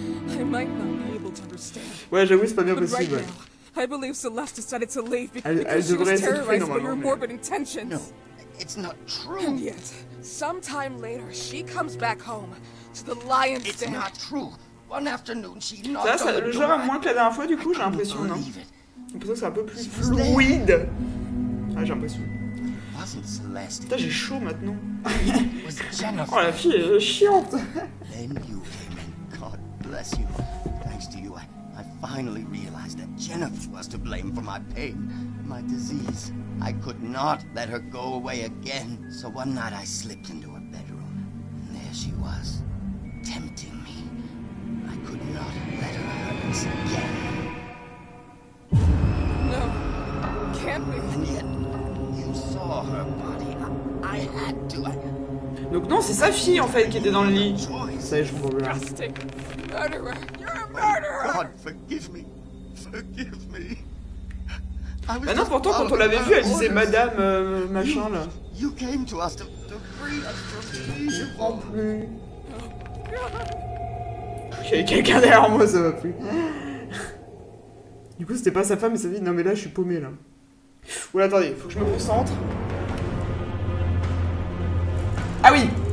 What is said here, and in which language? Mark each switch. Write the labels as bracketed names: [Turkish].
[English] I might not be able to understand. [French] Ouais, j'avoue, c'est pas bien possible. [English] I believe Celeste decided to leave because she was terrorized by your morbid intentions. No, it's not true. And yet, sometime later, she comes back home to the lion's den. It's not true. One afternoon, she knocked on the door. [French] Le genre a moins que la dernière fois, du coup, j'ai l'impression, non? J'ai l'impression que c'est un peu plus fluide. Ah, j'ai l'impression. [English] Wasn't Celeste. [French] Putain, j'ai chaud maintenant. Oh, la fille est chiante. [English] Then you came and God bless you. Thanks to you, I finally realized. Jennifer was to blame for my pain, my disease. I could not let her go away again. So one night I slipped into her bedroom, and there she was, tempting me. I could not let her hurt us again. No, can't we? And yet, you saw her body. I had to. [French] Donc non, c'est sa fille en fait qui était dans le lit. C'est je vous jure. [English] Disgusting murderer! You're a murderer! God forgive me. Forgive me. [French] Bah non, pourtant quand on l'avait vue, elle disait madame machin là. [English] You came to us to free us from me. [French] Oh, y'avait quelqu'un derrière moi, ça va plus. Du coup, c'était pas sa femme et sa fille. Non, mais là, je suis paumé là. Oula, attendez, faut que je me concentre. Ah oui.